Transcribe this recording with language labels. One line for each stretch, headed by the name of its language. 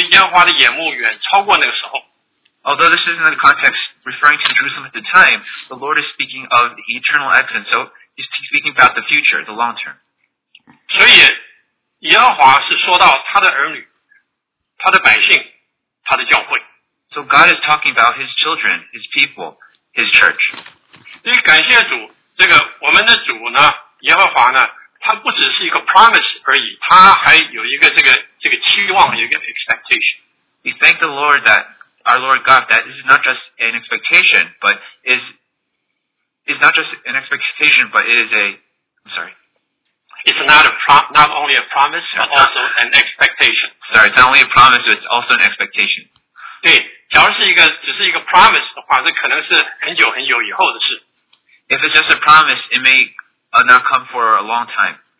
Chinese: 那么这个耶路撒冷是那个时候，可是耶和华说是永远的荣华，所以耶和华的眼目远超过那个时候。
English: Although this isn't in the context referring to Jerusalem at the time, the Lord is speaking of the eternal excellence. So he's speaking about the future, the long term.
Chinese: 所以耶和华是说到他的儿女，他的百姓，他的教会。
English: So God is talking about His children, His people, His church.
Chinese: 所以感谢主，这个我们的主呢，耶和华呢，他不只是一个 promise 而已，他还有一个这个期望，有一个 expectation.
English: We thank the Lord that. Our Lord God, that this is not just an expectation, but is not just an expectation, but is a, I'm sorry. It's not a not only a promise, but also an expectation. Sorry, it's not only a promise, but it's also an expectation.
Chinese: 对，假如是一个只是一个 promise 的话，这可能是很久很久以后的事。
English: If it's just a promise, it may not come for a long time.